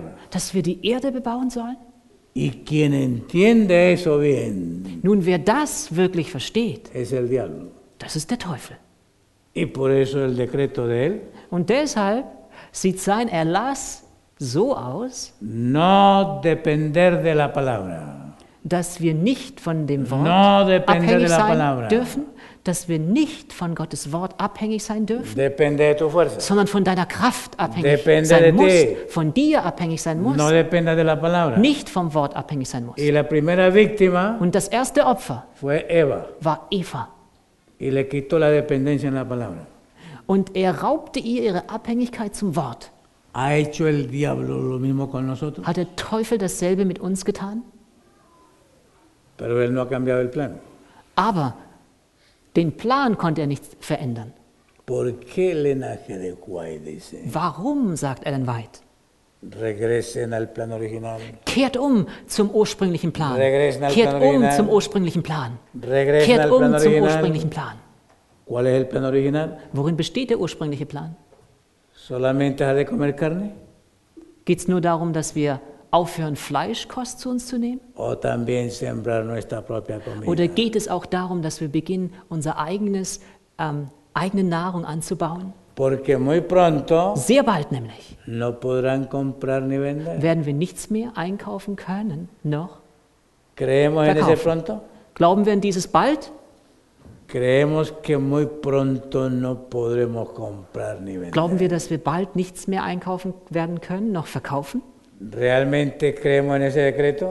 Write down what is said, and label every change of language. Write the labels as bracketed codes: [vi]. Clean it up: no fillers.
[de] Dass wir die Erde bebauen sollen? [es] Y quien entiende eso bien, [de] nun, wer das wirklich versteht, [es] es el diablo. [de] Das ist der Teufel. [es] Y por eso el decreto de él, [de] und deshalb sieht sein Erlass so aus, [es] no depender de la palabra. [de] Dass wir nicht von dem Wort abhängig sein dürfen, dass wir nicht von Gottes Wort abhängig sein dürfen, [es] depende de tu fuerza. [de] Sondern von deiner Kraft abhängig [es] depende [de] sein [es] de [de] muss, [es] ti. [de] Von dir abhängig sein muss, [es] no depende de la palabra. [de] Nicht vom Wort abhängig sein muss. [es] Y la primera víctima [de] und das erste Opfer [es] fue Eva. [de] War Eva. [es] Y le quitó la dependencia en la palabra. [de] Und er raubte ihr ihre Abhängigkeit zum Wort. [es] Ha hecho el diablo lo mismo con nosotros? [de] Hat der Teufel dasselbe mit uns getan? [es] Pero él no ha cambiado el plan. [de] Aber den Plan konnte er nicht verändern. [es] ¿Por qué el linaje de Quay dice? [de] Warum, sagt Ellen White, [es] regresen al plan original. [de] Kehrt um zum ursprünglichen Plan. [es] Regresen al [de] kehrt [es] plan [de] um [es] original. [de] Zum ursprünglichen Plan. [es] Regresen [de] kehrt [es] al [de] um [es] plan [de] zum [es] original. [de] Ursprünglichen Plan. [es] ¿Cuál es el plan original? [de] Worin besteht der ursprüngliche Plan? [es] Solamente de comer carne? [de] Geht's nur darum, dass wir aufhören, Fleischkost zu uns zu nehmen? Oder geht es auch darum, dass wir beginnen, unsere eigene Nahrung anzubauen? [es] Muy pronto, [de] sehr bald nämlich, [es] no podrán comprar ni vender. [de] Werden wir nichts mehr einkaufen können, noch [es] creemos [de] verkaufen. [es] En ese pronto? [de] Glauben wir an dieses bald? [es] Creemos que muy pronto no podremos comprar ni vender. [de] Glauben wir, dass wir bald nichts mehr einkaufen werden können, noch verkaufen? [es] Realmente creemos en ese decreto?